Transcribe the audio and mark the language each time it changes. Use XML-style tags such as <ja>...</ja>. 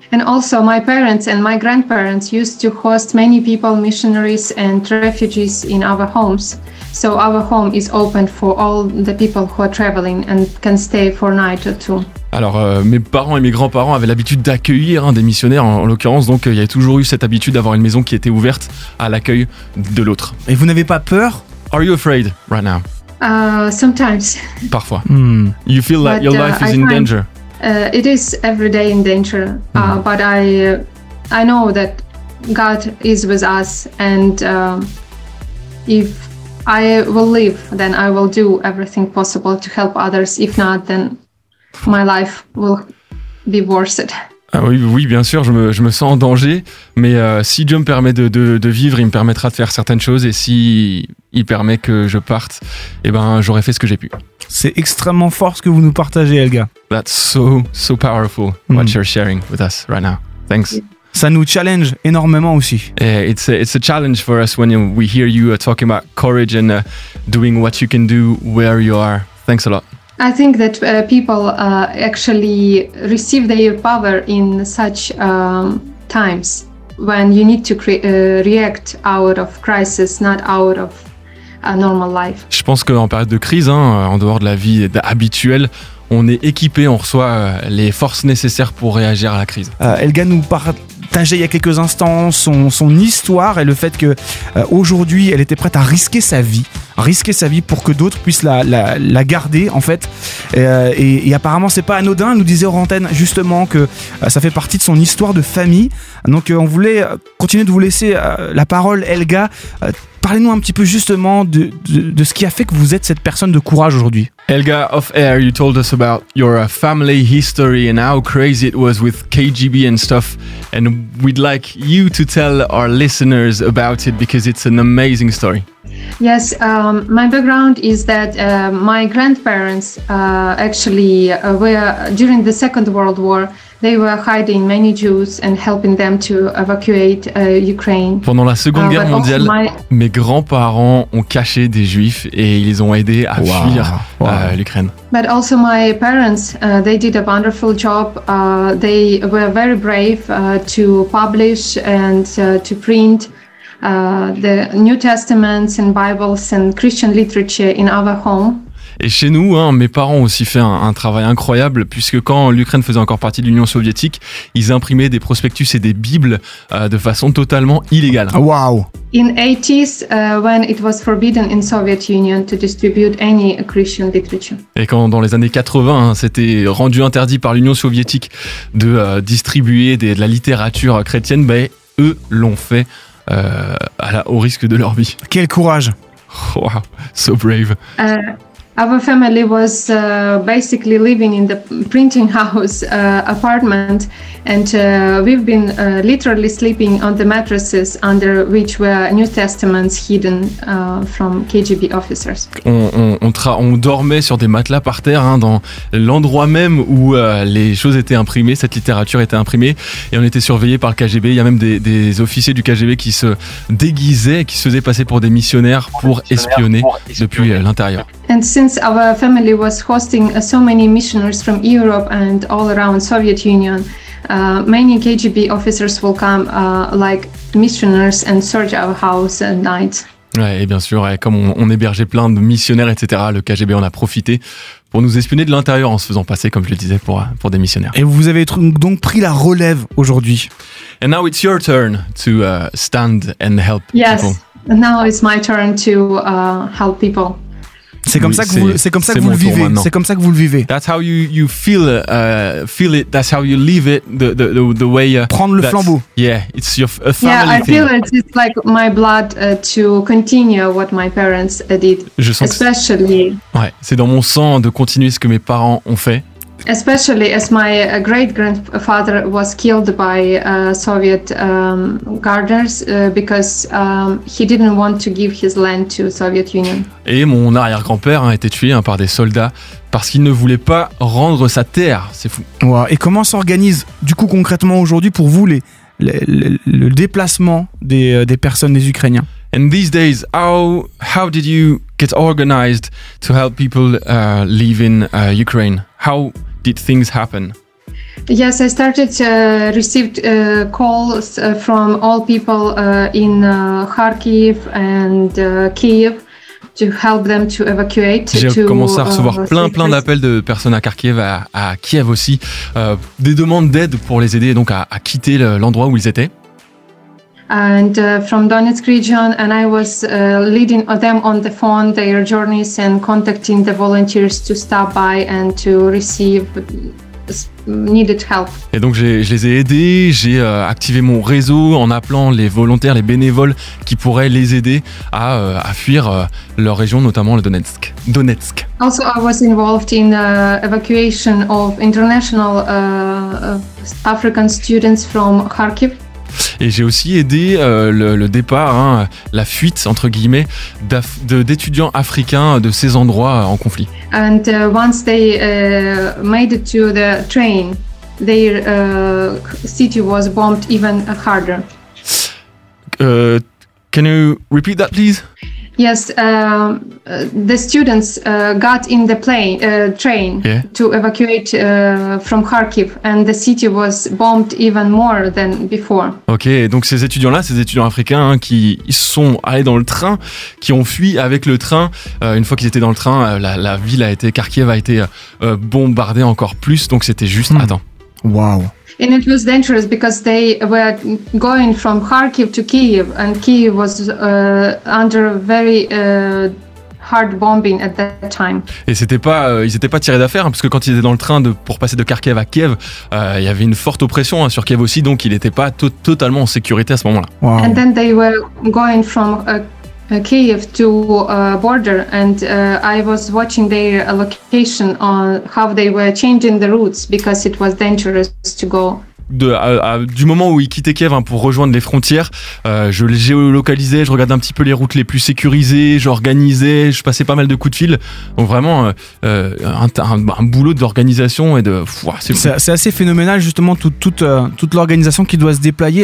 <en>And also my parents and my grandparents used to host many people, missionaries and refugees in our homes. So our home is open for all the people who are traveling and can stay for night or two.</en> <fr>Alors, mes parents et mes grands-parents avaient l'habitude d'accueillir hein, des missionnaires, en l'occurrence. Donc, il y a toujours eu cette habitude d'avoir une maison qui était ouverte à l'accueil de l'autre. Et vous n'avez pas peur?</fr> <en>Are you afraid right now? Sometimes.</en> <fr>Parfois.</fr> <en>You feel like your life is in danger. It is every day in danger. But I know that God is with us. And if I will live, then I will do everything possible to help others. If not, then my life will be worse.</en> <fr>Ah oui, bien sûr, je me sens en danger, mais si Dieu me permet de vivre, il me permettra de faire certaines choses, et si il permet que je parte, eh ben j'aurai fait ce que j'ai pu. C'est extrêmement fort ce que vous nous partagez, Helga.</fr> <en>That's so so powerful what you're sharing with us right now. Thanks.</en> <fr>Ça nous challenge énormément aussi.</fr> <en>It's a challenge for us when we hear you talking about courage and doing what you can do where you are. Thanks a lot. I think that people actually receive their power in such times when you need to react out of crisis, not out of a normal life.</en> <fr>Je pense qu'en période de crise, hein, en dehors de la vie habituelle, on est équipé, on reçoit les forces nécessaires pour réagir à la crise. Helga nous partageait il y a quelques instants son histoire et le fait que aujourd'hui elle était prête à risquer sa vie pour que d'autres puissent la garder en fait et apparemment c'est pas anodin. Elle nous disait hors antenne justement que ça fait partie de son histoire de famille, donc on voulait continuer de vous laisser la parole. Helga, parlez-nous un petit peu justement de ce qui a fait que vous êtes cette personne de courage aujourd'hui.</fr> <en>Helga, off air, you told us about your family history and how crazy it was with KGB and stuff, and we'd like you to tell our listeners about it because it's an amazing story. Yes, my background is that my grandparents were during the Second World War. They were hiding many Jews and helping them to evacuate Ukraine.</en> <fr>Pendant la Seconde Guerre mondiale, mes grands-parents ont caché des Juifs et ils les ont aidés à fuir l'Ukraine.</fr> <en>But also my parents, they did a wonderful job. They were very brave to publish and to print the New Testaments and Bibles and Christian literature in our home.</en> <fr>Et chez nous, hein, mes parents ont aussi fait un travail incroyable, puisque quand l'Ukraine faisait encore partie de l'Union soviétique, ils imprimaient des prospectus et des bibles de façon totalement illégale.</fr> <en>Wow. In 80s, when it was forbidden in Soviet Union to distribute any Christian literature.</en> <fr>Et quand dans les années 80, hein, c'était rendu interdit par l'Union soviétique de distribuer de la littérature chrétienne, ben bah, eux l'ont fait au risque de leur vie. Quel courage.</fr> <en>Wow, so brave. Our family was basically living in the printing house apartment, and we've been literally sleeping on the mattresses under which were New Testaments hidden from KGB officers.</en> <fr>On dormait sur des matelas par terre, hein, dans l'endroit même où les choses étaient imprimées, cette littérature était imprimée, et on était surveillés par le KGB. Il y a même des officiers du KGB qui se déguisaient, qui se faisaient passer pour des missionnaires pour espionner depuis l'intérieur.</fr> <en>And since our family was hosting so many missionaries from Europe and all around Soviet Union, many KGB officers will come like missionaries and search our house at night.</en> <fr>Ouais, et bien sûr, ouais, comme on hébergeait plein de missionnaires, etc., le KGB en a profité pour nous espionner de l'intérieur en se faisant passer, comme je le disais, pour des missionnaires. Et vous avez donc pris la relève aujourd'hui.</fr> <en>And now it's your turn to stand and help yes. people. Yes, now it's my turn to help people.</en> <fr>C'est comme ça que vous le vivez.</fr> <en>That's how you feel it. That's how you live it. The way</en> <fr>prendre le flambeau.</fr> <en>Yeah, it's your a family thing. Yeah, I feel it's like my blood to continue what my parents did.</en> <fr>Je sens</fr> <en>especially.</en> <fr>Ouais, c'est dans mon sang de continuer ce que mes parents ont fait.</fr> <en>Especially as my great grandfather was killed by Soviet guarders because he didn't want to give his land to Soviet Union.</en> <fr>Et mon arrière-grand-père a été tué par des soldats parce qu'il ne voulait pas rendre sa terre. C'est fou.</fr> <en>Wow.</en> <fr>Et comment s'organise du coup concrètement aujourd'hui pour vous le déplacement des personnes des Ukrainiens?</fr> <en>And these days, how did you get organized to help people live in Ukraine? How did things happen? Yes, I started to receive calls from all people in Kharkiv and Kyiv to help them to evacuate.</en> <fr>J'ai commencé à recevoir plein d'appels de personnes à Kharkiv, à Kyiv aussi, des demandes d'aide pour les aider donc à quitter l'endroit où ils étaient.</fr> <en>And from Donetsk region, and I was leading them on the phone their journeys and contacting the volunteers to stop by and to receive needed help.</en> <fr>Et donc je les ai aidés, j'ai activé mon réseau en appelant les volontaires, les bénévoles qui pourraient les aider à fuir leur région, notamment le Donetsk. Donetsk.</fr> <en>Also, I was involved in evacuation of international African students from Kharkiv.</en> <fr>Et j'ai aussi aidé le départ, hein, la fuite, entre guillemets, d'étudiants africains de ces endroits en conflit.</fr> <en>And once they made it to the train, their city was bombed even harder. Can you repeat that, please? Yes, the students got in the plane train yeah. to evacuate from Kharkiv, and the city was bombed even more than before.</en> <fr>Ok, donc ces étudiants africains, hein, qui sont allés dans le train, qui ont fui avec le train. Une fois qu'ils étaient dans le train, la ville a été Kharkiv a été bombardée encore plus. Donc c'était juste à temps.</fr> <en>Wow. And it was dangerous because they were going from Kharkiv to Kyiv, and Kyiv was under very hard bombing at that time.</en> <fr>Et c'était pas, ils n'étaient pas tirés d'affaire, hein, parce que quand ils étaient dans le train pour passer de Kharkiv à Kyiv, il y avait une forte oppression, hein, sur Kyiv aussi, donc ils n'étaient pas totalement en sécurité à ce moment-là.</fr> <en>Wow. And then they were going from Kyiv to border, and I was watching their location on how they were changing the routes because it was dangerous to go.</en> <fr>Du moment où ils quittaient Kyiv, hein, pour rejoindre les frontières, je les géolocalisais, je regardais un petit peu les routes les plus sécurisées, j'organisais, je passais pas mal de coups de fil. Donc vraiment un boulot d'organisation et de. Pff, c'est assez phénoménal justement toute l'organisation qui doit se déployer.</fr>